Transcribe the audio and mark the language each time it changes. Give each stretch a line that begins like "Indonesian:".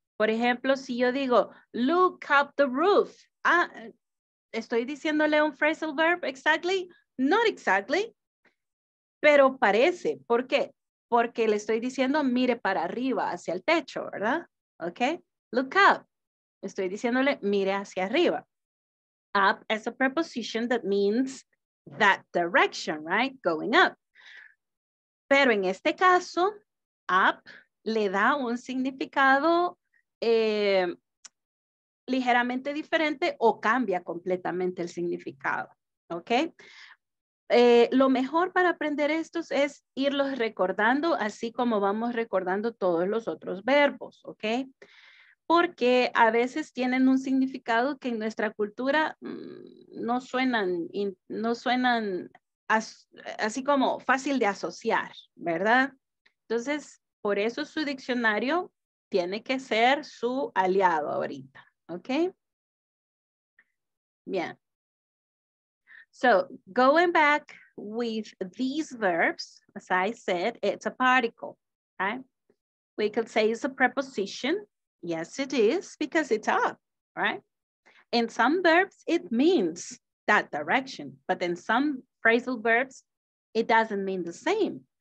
Spanish: Por ejemplo, si yo digo,
English: look up the roof.
Spanish: Ah, ¿estoy diciéndole un phrasal verb
English: exactly? Not exactly.
Spanish: Pero parece. ¿Por qué? Porque le estoy diciendo, mire para arriba, hacia el techo, ¿verdad? Ok. Look up. Estoy diciéndole, mire hacia arriba.
English: Up as a preposition that means that direction, right? Going up.
Spanish: Pero en este caso, up le da un significado ligeramente diferente o cambia completamente el significado, ¿ok? Lo mejor para aprender estos es irlos recordando así como vamos recordando todos los otros verbos, ¿ok? Porque a veces tienen un significado que en nuestra cultura no suenan así como fácil de asociar, ¿verdad? Entonces, por eso su diccionario tiene que ser su aliado ahorita, ¿ok? Bien.
English: So, going back with these verbs, as I said, it's a particle, right? We could say it's a preposition. Yes, it is, because it's up, right? In some verbs, it means that direction, but in some phrasal verbs, it doesn't mean the same.